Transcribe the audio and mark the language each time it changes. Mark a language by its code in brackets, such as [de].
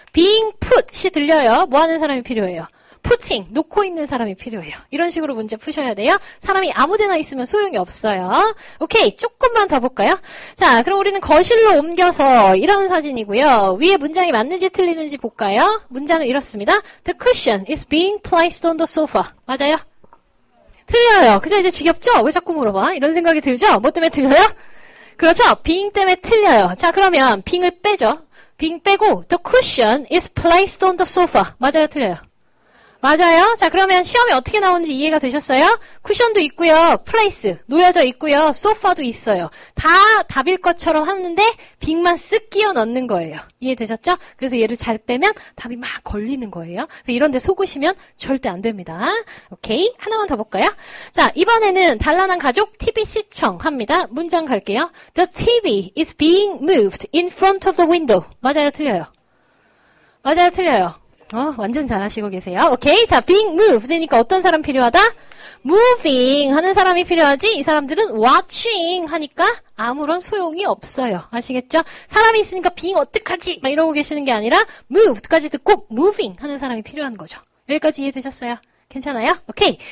[en] being put [ko] 이 들려요. 뭐 하는 사람이 필요해요? putting, 놓고 있는 사람이 필요해요. 이런 식으로 문제 푸셔야 돼요. 사람이 아무데나 있으면 소용이 없어요. 오케이, 조금만 더 볼까요? 자, 그럼 우리는 거실로 옮겨서 이런 사진이고요. 위에 문장이 맞는지 틀리는지 볼까요? 문장은 이렇습니다. [en] The cushion is being placed on the sofa. [ko] 맞아요? 틀려요. 그죠? 이제 지겹죠? 왜 자꾸 물어봐? 이런 생각이 들죠? 뭐 때문에 틀려요? 그렇죠? being 때문에 틀려요. 자, 그러면 being을 빼죠. [en] being [ko] 빼고 [en] the cushion is placed on the sofa. [ko] 맞아요? 틀려요? 맞아요. 자, 그러면 시험이 어떻게 나오는지 이해가 되셨어요? 쿠션도 있고요. 플레이스, 놓여져 있고요. 소파도 있어요. 다 답일 것처럼 하는데 빙만 쓱 끼워 넣는 거예요. 이해되셨죠? 그래서 얘를 잘 빼면 답이 막 걸리는 거예요. 그래서 이런데 속으시면 절대 안 됩니다. 오케이, 하나만 더 볼까요? 자, 이번에는 단란한 가족 TV 시청합니다. 문장 갈게요. [en] The TV is being moved in front of the window. [ko] 맞아요? 틀려요? 맞아요? 틀려요? 완전 잘하시고 계세요. 오케이, 자, being moved 이니까 어떤 사람 필요하다? moving 하는 사람이 필요하지 이 사람들은 watching 하니까 아무런 소용이 없어요. 아시겠죠? 사람이 있으니까 being 어떡하지? 막 이러고 계시는 게 아니라 moved까지도 꼭 moving 하는 사람이 필요한 거죠. 여기까지 이해되셨어요? 괜찮아요? 오케이.